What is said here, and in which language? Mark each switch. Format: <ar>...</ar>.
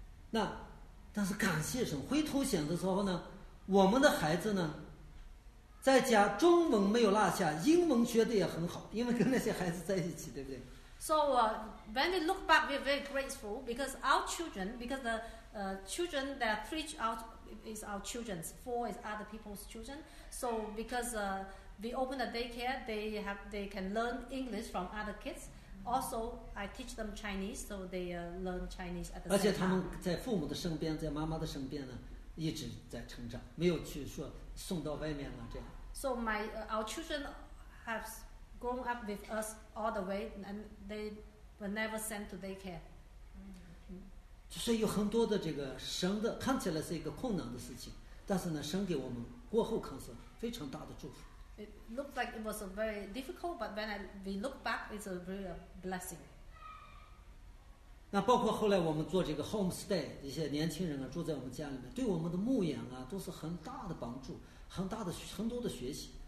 <zh>那，但是感谢神，回头想的时候呢，我们的孩子呢，在家中文没有落下，英文学的也很好，因为跟那些孩子在一起，对不对</zh> <en>？So when we look back, we're very grateful because our children, because the children that preach out is our children's, four is other people's children. So because We open a daycare. They can learn English from other kids. Also, I teach them Chinese, so they learn Chinese at the same time.</en> <zh>而且他们在父母的身边，在妈妈的身边呢，一直在成长，没有去说送到外面了这样。</zh> <en>So our children have grown up with us all the way, and they were never sent to daycare.</en> <zh>就是有很多的这个神的，看起来是一个困难的事情，但是呢，神给我们过后看是非常大的祝福。</zh> <en>It looked like it was a very difficult, but when we look back, it's a real blessing.</en> <zh>那包括后来我们做这个 homestay, 一些年轻人啊住在我们家里面，对我们的牧养啊都是很大的帮助，很大的很多的学习。</zh>